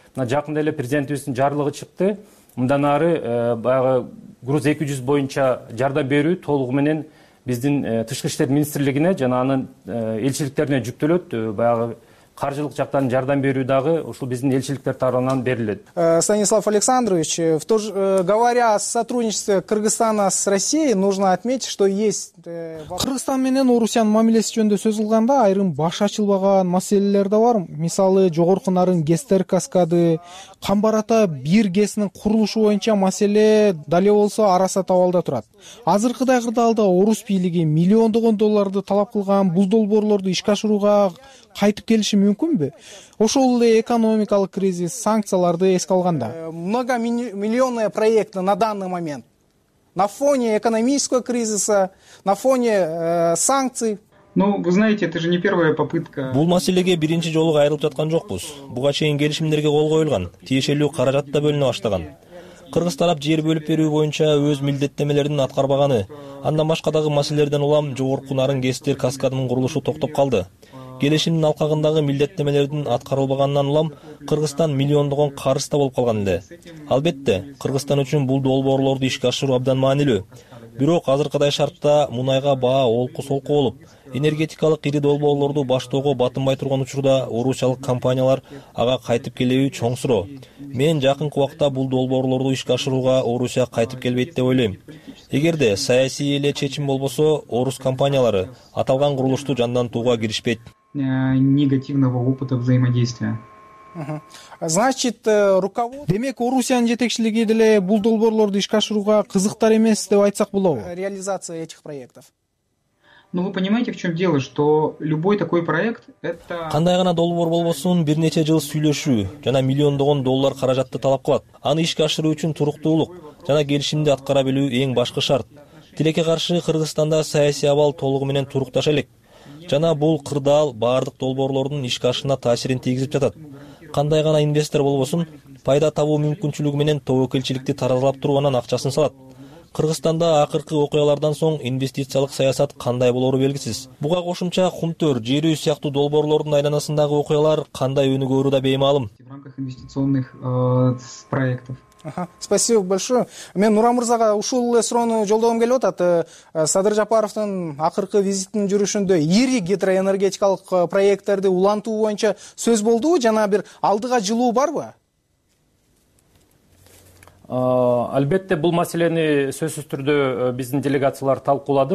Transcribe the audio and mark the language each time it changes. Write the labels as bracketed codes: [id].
[ky] Мына жакында эле президентибиздин жарлыгы чыкты. Мындан ары баягы груз 200 боюнча жардам берүү толугу менен биздин тышкы иштер министрлигине жана анын элчиликтерине жүктөлөт. Баягы каржылык жактан жардам берүү дагы ушул биздин элчиликтер тарабынан берилет. [ru] Станислав Александрович, в то же говоря о сотрудничестве Кыргызстана с Россией, нужно отметить, что есть [ky] Кыргызстан менен Орусиянын мамилеси жөнүндө сөз кылганда айрым баш ачылбаган маселелер да бар. Мисалы, жогорку Нарын гестер каскады, Камбар ата бир гесинин курулушу боюнча маселе дале болсо арасат абалда турат. Азыркыдай кырдаалда орус бийлиги миллиондогон долларды талап кылган бул долбоорлорду ишке ашырууга кайтып келиши мүмкүнбү? Ошол эле экономикалык кризис, санкцияларды эске алганда. [ru] Многомиллионные проекты на данный момент на фоне экономического кризиса, на фоне санкций. Ну, вы знаете, это же не первая попытка. [ky] Бул маселеге биринчи жолу кайрылып жаткан жокпуз. Буга чейин келишимдерге кол коюлган, тиешелүү каражат да бөлүнө баштаган. Кыргыз тарап жер бөлүп берүү боюнча өз милдеттемелерин аткарбаганы, андан башка дагы маселелерден улам жогорку Нарын гестер каскадынын курулушу токтоп калды. Келишимдин алкагындагы милдеттемелердин аткарылбаганынан улам Кыргызстан миллиондогон карызда болуп калган эле. Албетте, Кыргызстан үчүн бул долбоорлорду ишке ашыруу абдан маанилүү. Бирок азыркыдай шартта мунайга баа олку-солку болуп, энергетикалык ири долбоорлорду баштоого батынбай турган учурда орусиялык компаниялар ага кайтып келүү чоң суроо. Мен жакынкы убакта бул долбоорлорду ишке ашырууга Орусия кайтып келбейт деп ойлойм. Эгерде саясий эле чечим болбосо, орус компаниялары аталган курулушту жандантууга киришпейт. [ru] Негативного опыта взаимодействия. Значит, руководство. [ky] Демек, Орусиянын жетекчилиги деле бул долбоорлорду ишке ашырууга кызыктар эмес деп айтсак болобу? [ru] Реализация этих проектов. Ну вы понимаете, в чем дело, что любой такой проект это. [ky] Кандай гана долбоор болбосун, бир нече жыл сүйлөшүү жана миллиондогон доллар каражатты талап кылат. Аны ишке ашыруу үчүн туруктуулук жана келишимди аткара билүү эң башкы шарт. Тилекке каршы Кыргызстанда саясий абал толугу менен турукташа элек. Жана бул кырдаал баардык долбоорлордун ишке ашына таасирин тийгизип жатат. Кандай гана инвестор болбосун, пайда табуу мүмкүнчүлүгү менен тобокелчиликти таразалап туруп анан акчасын салат. Кыргызстанда акыркы окуялардан соң инвестициялык саясат кандай болору белгисиз. Буга кошумча Кумтөр, Жер үй сыяктуу долбоорлордун айланасындагы окуялар кандай өнүгөөрү да беймаалым. [ru] В рамках инвестиционных проектов. Спасибо большое. [ky] Мен Нура Мырзага ушул эле суроону жолдогом келип атат. Садыр Жапаровдун акыркы визитинин жүрүшүндө ири гидроэнергетикалык проекттерди улантуу боюнча сөз болдубу жана бир алдыга жылуу барбы? Албетте бул маселени сөзсүз түрдө биздин делегациялар талкуулады.